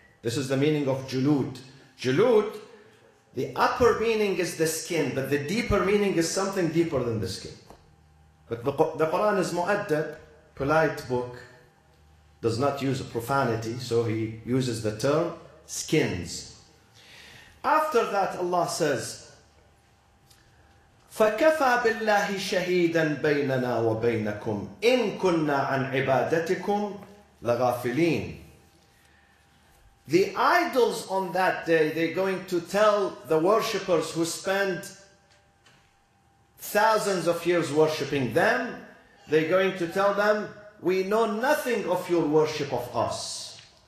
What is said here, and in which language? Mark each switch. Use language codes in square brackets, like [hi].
[en] This is the meaning of julud. Julud, the upper meaning is the skin, but the deeper meaning is something deeper than the skin. But the Quran is mu'addab, polite book, does not use profanity, so he uses the term skins. After that, Allah says, [ar] فَكَفَى بِاللَّهِ شَهِيدًا بَيْنَنَا وَبَيْنَكُمْ إِن كُنَّا عَنْ عِبَادَتِكُمْ لَغَافِلِينَ. [en] The idols on that day, they're going to tell the worshippers who spend thousands of years worshipping them, they're going to tell them, we know nothing of your worship of us.